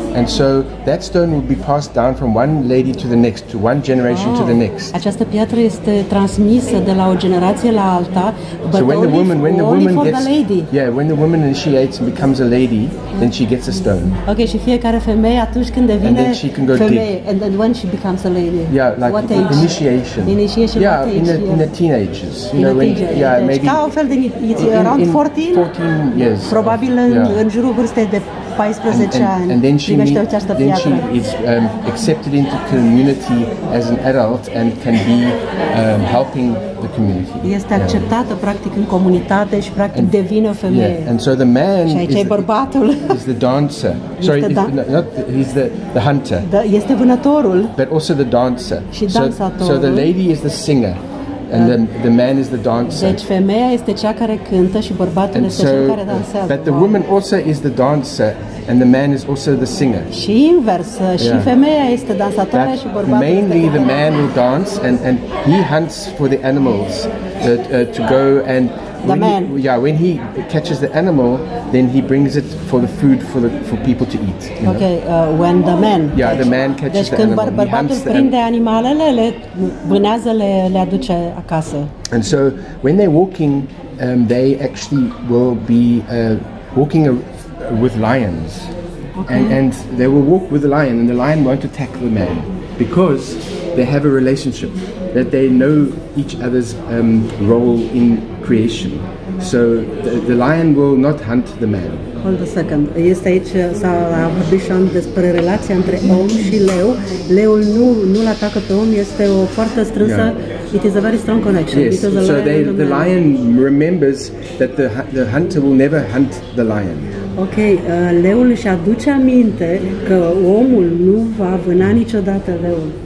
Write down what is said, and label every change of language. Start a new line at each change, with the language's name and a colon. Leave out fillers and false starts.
English: And so that stone will be passed down from one lady to the next, to one generation to the next.
Romanian: Această piatră este transmisă de la o generație la alta.
English: So when the woman, gets, when the woman initiates and becomes a lady, then she gets a stone.
Romanian: Okay, și fiecare femeie atunci când devine femeie,
English: and then she can go
Romanian: femeie,
English: dig. And then when she becomes a lady, yeah, like what age? Initiation. Initiation. Yeah, what age, in the teenagers. Maybe 14. Yes.
Romanian: Probabil în jurul vârstei de 14 ani.
English: And then she meets. Then she is accepted into community as an adult and can be helping the community.
Romanian: Este acceptată practic în comunitate și practic devine o femeie.
English: Yeah. And so the man is the dancer. Sorry, he's the hunter.
Romanian: Este vânătorul.
English: But also the dancer.
Romanian: Și dansatorul.
English: So the lady is the singer. And the man is the dancer.
Romanian: Deci femeia este cea care cântă și bărbatul este cel care dansează.
English: But the woman also is the dancer and the man is also the singer.
Romanian: Și invers, și femeia este dansatoare și bărbatul este cântăreț.
English: Mainly the man will dance and he hunts for the animals to go and when he catches the animal, then he brings it for the food for people to eat. Okay, when the man. Yeah, the man catches the animal.
Romanian: Deci când bărbatul prinde animalele, le vânează, le aduce acasă.
English: And so when they're walking, they actually will be walking with lions. Okay. And they will walk with the lion, and the lion won't attack the man because they have a relationship, that they know each other's role in creation. So the lion will not hunt the man. Hold a second.
Romanian: Este aici, s-a vorbit și-am despre relația între om și leu. Leul nu-l atacă pe om, este o foarte strânsă.
English: Yeah. It is a very strong connection. Yes. So the lion remembers that the hunter will never hunt the lion.
Romanian: Ok, leul își aduce aminte că omul nu va vâna niciodată leul.